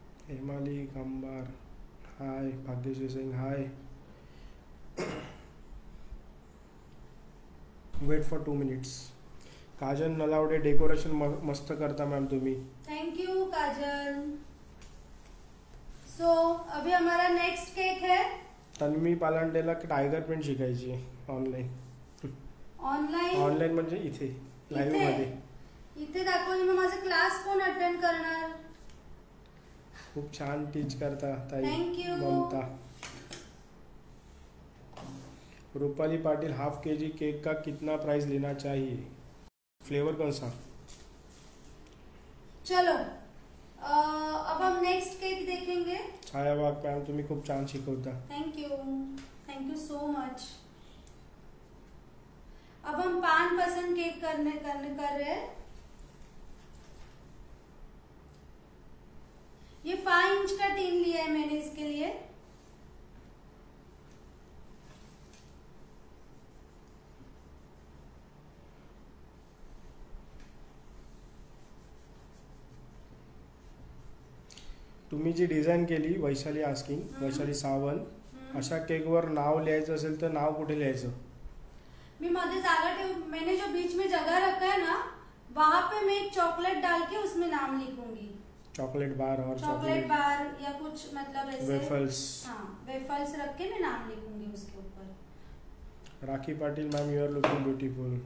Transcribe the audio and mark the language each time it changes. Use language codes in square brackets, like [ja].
[en] Hemali Kambar hi, Bhagyashree Singh hi, wait for 2 minutes. [mr] Kajal Nalawade decoration मस्त करता ma'am तुम्ही, [en] Thank you Kajal. [hi] सो अभी हमारा नेक्स्ट केक है [mr] तन्मी पालांडेला टाइगर प्रिंट शिकायची ऑनलाइन ऑनलाइन ऑनलाइन म्हणजे इथे लाइव मध्ये इथे दाखवून मी माझे क्लास कोण अटेंड करणार। खूप छान टीच करता ताई, [en] Thank you Mamata. [hi] Rupali Patil half KG cake का कितना प्राइस लेना चाहिए, फ्लेवर कौन सा? चलो अब हम नेक्स्ट केक देखेंगे। [mr] छाया बाग मैम तुम्ही खूप छान शिकवता, [en] Thank you so much. [hi] अब हम 5% केक करने कर रहे हैं। ये 5 इंच का टिन लिया है मैंने इसके लिए। [mr] तुम्ही जी डिझाईन केली वैशाली आस्किंग वैशाली सावल, अशा केकवर नाव लिहायचं असेल तर नाव कुठे लिहायचं? मी मध्ये जागा ठेव, [hi] मैंने जो बीच में जगह रखा है ना वहां पे मैं एक चॉकलेट डाल के उसमें नाम लिखूंगी। चॉकलेट बार और चॉकलेट बार या कुछ मतलब ऐसे वेफल्स, हाँ वेफल्स रख के मैं नाम लिखूंगी उसके ऊपर। [en] Rakhi Patil ma'am you are looking beautiful,